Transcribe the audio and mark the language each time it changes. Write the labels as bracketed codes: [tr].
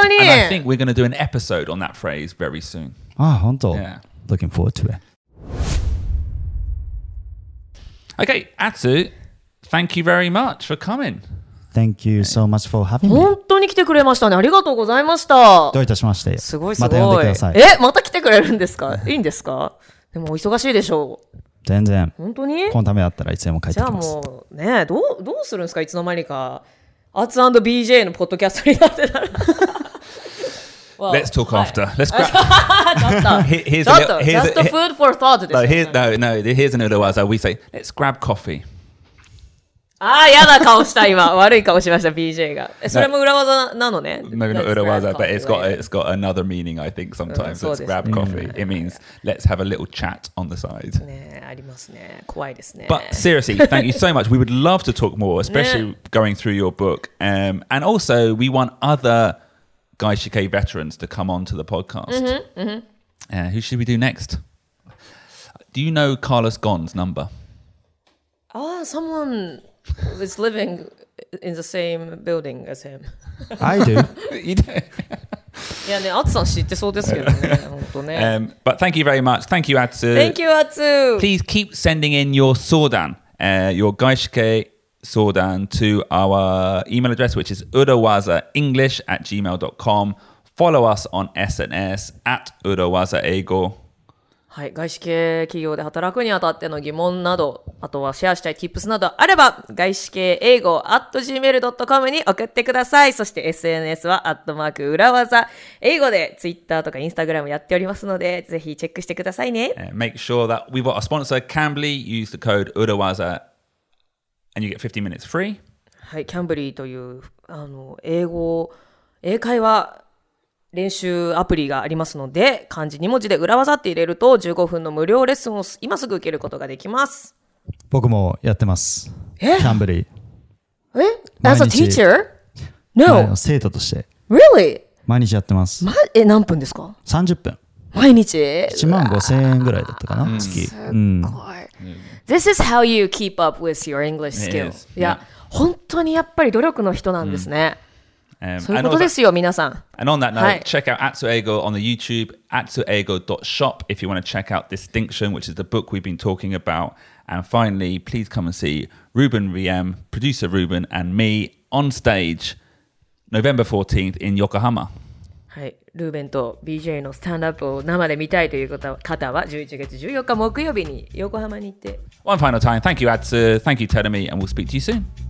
[en] And I think we're going to do an episode on that phrase very soon. Ah, [ja] 本当? [en] Yeah. Looking forward to it. Okay, Atsu, thank you very much for coming. Thank you so much for having me. [ja] 本当に来てくれましたね。ありがとうございました。どういたしまして。すごいすごい。また呼んでください。え、また来てくれるんですか?いいんですか?でもお忙しいでしょう。全然。本当に? このためだったらいつでも帰ってきます。じゃあもう、ね、どうするんですか?いつの間にか。アーツ&BJ のポッドキャストになってたら。 [en] Well, let's talk after. Let's grab. just a food for thought. No, here's another word. So we say, let's grab coffee. [ja] ああ、嫌な顔した、今。悪い顔しました、BJ が。それも裏技なのね。 [en] Maybe not 裏技, but it's got another meaning, I think, sometimes. Let's grab coffee. It means, let's have a little chat on the side. [ja] ね、ありますね。怖いですね。 [en] But seriously, thank you so much. We would love to talk more, especially going through your book. And also, we want other Gaishikei veterans to come onto the podcast. Who should we do next? Do you know Carlos Ghosn's number? Ah, someone... Was living in the same building as him. I do. [ja] Yeah, ね、アツさん知ってそうですけどね、本当ね。 [en] But thank you very much. Thank you, Atsu. Thank you, Atsu. Please keep sending in your sōdan, your gaishike sōdan to our email address, which is urawazaenglish@gmail.com. Follow us on SNS at urawazaeigo. [ja] はい、外資系企業で働くにあたっての疑問など、あとはシェアしたいティップスなどあれば、外資系英語 @gmail.com に送ってください。そして SNS は @裏技英語で Twitter とか Instagram やっておりますので、ぜひチェックしてくださいね。 [en] Make sure that we've got a sponsor, Cambly. Use the code 裏技 and you get 15 minutes free. [ja] はい、Cambly というあの英語、英会話、練習アプリがありますので、漢字2文字で裏技って入れると15分の無料レッスンを今すぐ受けることができます。僕もやってます。え？キャンブリー。 [en] え？As a teacher? No. [ja] 生徒として。 [en] Really? [ja] 毎日やってます。ま、え、何分ですか ?30 分。毎日 ?1 万5000円ぐらいだったかな、月。すごい。 [en] This is how you keep up with your English skills. [ja] いや、本当にやっぱり努力の人なんですね。 [en] And on that note, check out Atsu Eigo on the YouTube, atsueigo.shop if you want to check out Distinction, which is the book we've been talking about. And finally, please come and see Ruben VM, producer Ruben, and me on stage November 14th in Yokohama. [ja] はい、ルーベンと BJ のスタンドアップを生で見たいという方は11月14日木曜日に横浜に行って。 [en] One final time, thank you Atsu, thank you Terumi, and we'll speak to you soon.